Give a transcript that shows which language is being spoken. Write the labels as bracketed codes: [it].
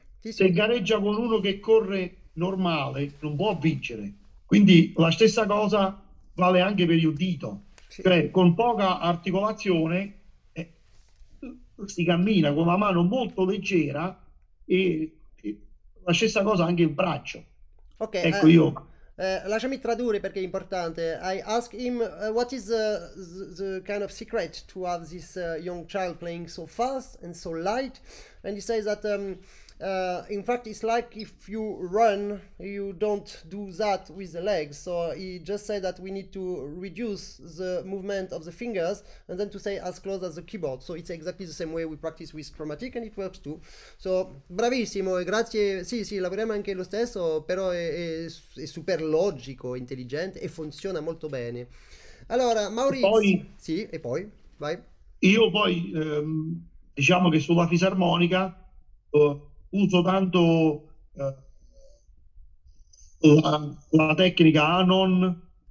[it] Se gareggia con uno che corre normale non può vincere, quindi la stessa cosa vale anche per il dito. Sì. Cioè, con poca articolazione si cammina con la mano molto leggera e la stessa cosa anche il braccio. Ok, ecco, io lasciami tradurre perché è importante. [en] I ask him what is the kind of secret to have this young child playing so fast and so light, and he says that in fact it's like if you run, you don't do that with the legs. So he just said that we need to reduce the movement of the fingers and then to stay as close as the keyboard. So it's exactly the same way we practice with chromatic and it works too. [it] So bravissimo e grazie. Sì, lavoriamo anche lo stesso, però è super logico, intelligente e funziona molto bene. Allora Maurizio, sì, e poi vai. Io poi diciamo che sulla fisarmonica uso tanto la tecnica Anon.